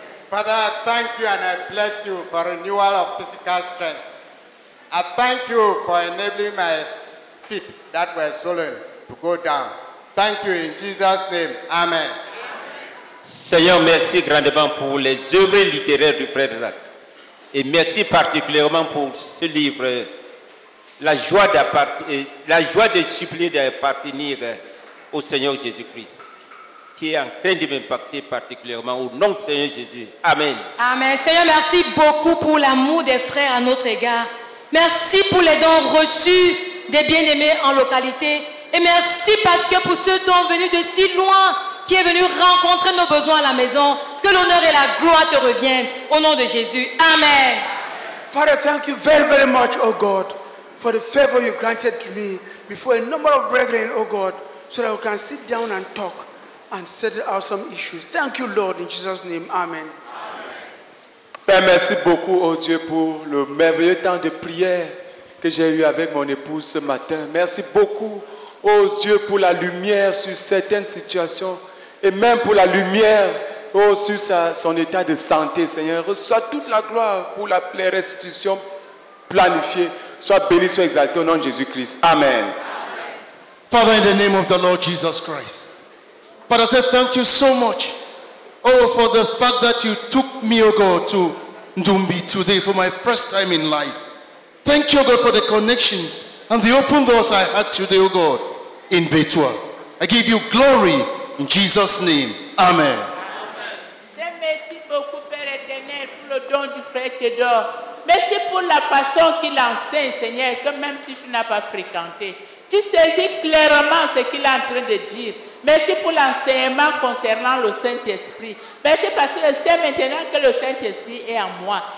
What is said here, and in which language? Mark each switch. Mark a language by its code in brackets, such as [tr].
[en] Father, I thank you and I bless you for renewal of physical strength. I thank you for enabling my feet that were swollen to go down. Thank you in Jesus' name. Amen. [fr] Seigneur, merci grandement pour les œuvres littéraires du frère Zach. Et merci particulièrement pour ce livre, la joie de supplier d'appartenir au Seigneur Jésus-Christ, qui est en train de m'impacter particulièrement au nom du Seigneur Jésus. Amen. Amen. Seigneur, merci beaucoup pour l'amour des frères à notre égard. Merci pour les dons reçus des bien-aimés en localité. Et merci parce que pour ceux dont venus de si loin, qui est venu rencontrer nos besoins à la maison. Que l'honneur et la gloire te reviennent. Au nom de Jésus. Amen. [en] Father, thank you very, very much, oh God, for the favor you granted to me before a number of brethren, oh God, so that we can sit down and talk and settle out some issues. Thank you, Lord, in Jesus' name. Amen. Amen. [fr] Père, merci beaucoup, oh Dieu, pour le merveilleux temps de prière que j'ai eu avec mon épouse ce matin. Merci beaucoup, oh Dieu, pour la lumière sur certaines situations et même pour la lumière, oh, sur son état de santé, Seigneur. Reçois toute la gloire pour les restitutions planifiées. Sois béni, sois exalté au nom de Jésus-Christ. Amen. Amen. [en] Father, in the name of the Lord Jesus Christ, Father, I say thank you so much, oh, for the fact that you took me, oh God, to Ndumbi today for my first time in life. Thank you, oh God, for the connection and the open doors I had today, oh God, in Betwa. I give you glory in Jesus' name. Amen. Amen. [fr] Merci beaucoup, Père Éternel, pour le don du frère Tédor. Merci pour la façon qu'il enseigne, Seigneur, que même si tu n'as pas fréquenté, tu saisis clairement ce qu'il est en train de dire. Merci pour l'enseignement concernant le Saint-Esprit. Merci parce que je sais maintenant que le Saint-Esprit est en moi.